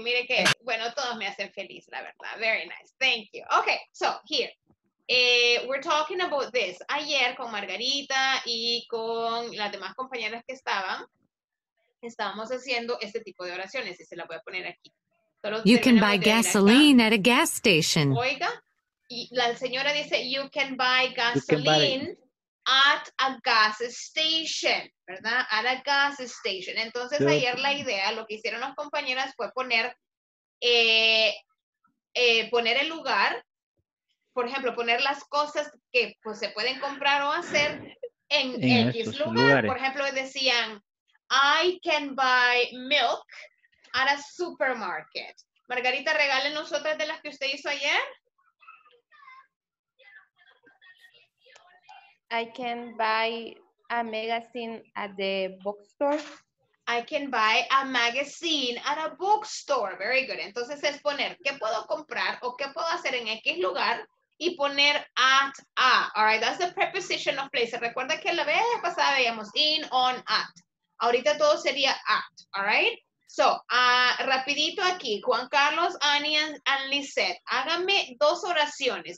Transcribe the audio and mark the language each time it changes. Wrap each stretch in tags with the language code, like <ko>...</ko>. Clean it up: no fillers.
<es>Mire que, bueno, todos me hacen feliz, la verdad.</es> <en>Very nice. Thank you. Okay, so here. We're talking about this.</en> <es>Ayer con Margarita y con las demás compañeras que estaban, estábamos haciendo este tipo de oraciones y se la voy a poner aquí.</es> <en>You can buy gasoline at a gas station.</en> <es>Oiga, la señora dice,</es> <en>you can buy gasoline at a gas station,</en> <es>¿verdad?</es> <en>At a gas station.</en> <es>Entonces, ayer la idea, lo que hicieron las compañeras fue poner el lugar, por ejemplo, poner las cosas que pues, se pueden comprar o hacer en X lugar. Por ejemplo, decían,</es> <en>I can buy milk at a supermarket. Margarita, regálenos otras de las que usted hizo ayer. I can buy a magazine at the bookstore. I can buy a magazine at a bookstore. Very good.</en> <es>Entonces es poner qué puedo comprar o qué puedo hacer en X lugar y poner at a.</es> <en>All right, that's the preposition of place.</en> <es>Recuerda que la vez pasada veíamos</es> <en>in, on, at.</en> <es>Ahorita todo sería at.</es> <en>All right. So,</en> <es>rapidito aquí, Juan Carlos, Annie, and Lisette, háganme dos oraciones.</es>